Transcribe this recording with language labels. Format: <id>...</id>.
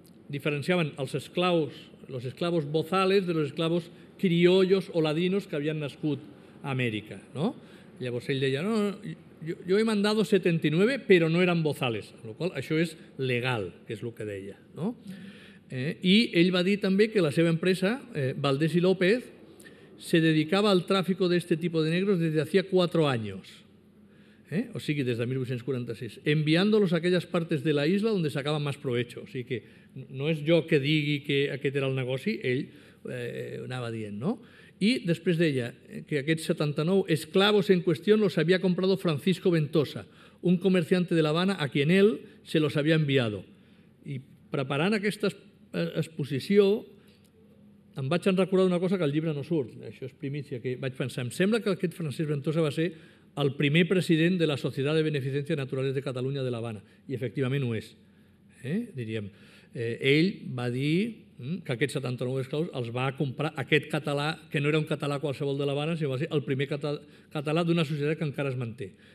<ca>Diferenciaven els esclaus,</ca> <es>los esclavos bozales, de los esclavos criollos o ladinos</es> <ca>que havien nascut a Amèrica, no? Llavors ell deia, no, jo</ca> <es>he mandado</es> <ca>79, però no eren bozales, amb la qual cosa això és legal, que és el que deia, no? I ell va dir també que la seva empresa, Valdés i López,</ca> <es>se dedicava al tráfico de este tipo de negros desde hacía 4 años,</es> <ca>o sigui, des de 1846,</ca> <es>enviándolos a aquellas partes de la isla donde sacaba más provecho.</es> <ca>O sigui que no és jo que digui que aquest era el negoci, ell anava dient, no? I després deia que aquests</ca> <es>79 esclavos</es> <ca>en qüestió</ca> <es>los havia comprado Francisco Ventosa, un comerciante de La Habana a quien él se los había enviado.</es> <ca>I preparant aquesta exposició em vaig recordar una cosa que al llibre no surt, això és primícia, que vaig pensar, em sembla que aquest Francisco Ventosa va ser el primer president de la Societat de Beneficència Naturales de Catalunya de l'Havana, i efectivament ho és. Diríem, ell va dir que aquests 79 esclaus els va comprar aquest català, que no era un català qualsevol de l'Havana, sinó va ser el primer català d'una societat que encara es manté.</ca>